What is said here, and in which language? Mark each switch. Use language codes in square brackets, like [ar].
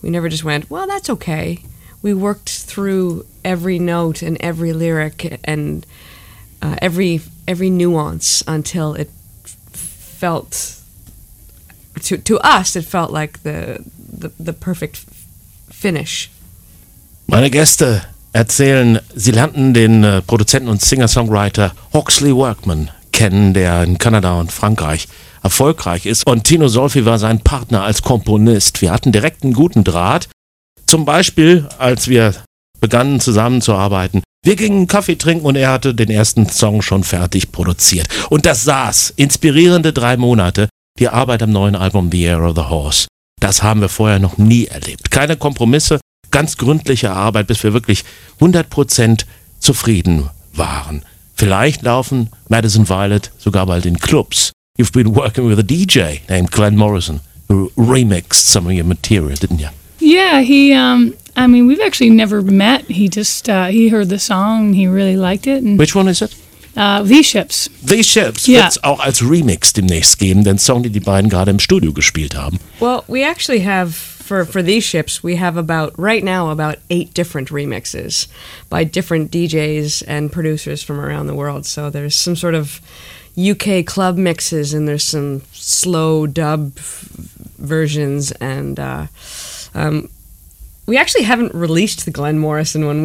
[en] We never just went, well, that's okay. We worked through every note and every lyric and every nuance until it felt, to us, it felt like the perfect finish. [de] Meine Gäste erzählen, sie lernten den Produzenten und Singer-Songwriter Hawksley Workman kennen, der in Kanada und Frankreich erfolgreich ist. Und Tino Solfi war sein Partner als Komponist. Wir hatten direkt einen guten Draht. Zum Beispiel, als wir begannen zusammenzuarbeiten. Wir gingen einen Kaffee trinken und er hatte den ersten Song schon fertig produziert. Und das saß. Inspirierende 3 Monate. Die Arbeit am neuen Album The Air of the Horse. Das haben wir vorher noch nie erlebt. Keine Kompromisse, ganz gründliche Arbeit, bis wir wirklich 100% zufrieden waren. Vielleicht laufen Madison Violet sogar bald in Clubs. [en] You've been working with a DJ named Glenn Morrison, who remixed some of your material, didn't you? Yeah, we've actually never met. He just, he heard the song, he really liked it. And which one is it? V-Ships. V-Ships, yeah. [de] Wird's auch als Remix demnächst geben, den Song, den die beiden gerade im Studio gespielt haben. [en] Well, we actually have, for These Ships, we have about 8 different remixes by different DJs and producers from around the world. So there's some sort of UK club mixes, and there's some slow dub versions, and we actually haven't released the Glenn Morrison one.